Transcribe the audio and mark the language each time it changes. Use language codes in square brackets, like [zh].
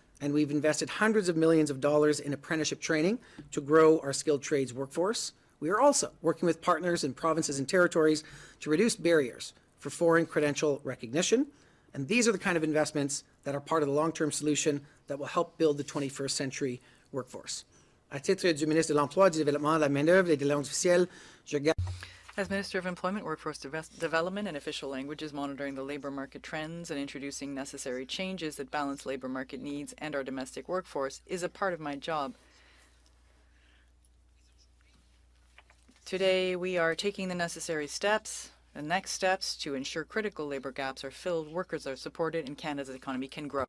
[en] And we've invested hundreds of millions of dollars in apprenticeship training to grow our skilled trades workforce. We are also working with partners in provinces and territories to reduce barriers for foreign credential recognition. And these are the kind of investments that are part of the long-term solution that will help build the 21st century workforce. [fr] À titre du ministre de l'Emploi, du Développement, de la Main-d'œuvre et de la langue officielle, je garde. [en] As Minister of Employment, Workforce Development and Official Languages, monitoring the labour market trends and introducing necessary changes that balance labour market needs and our domestic workforce is a part of my job. Today, we are taking the necessary steps, the next steps, to ensure critical labour gaps are filled, workers are supported, and Canada's economy can grow.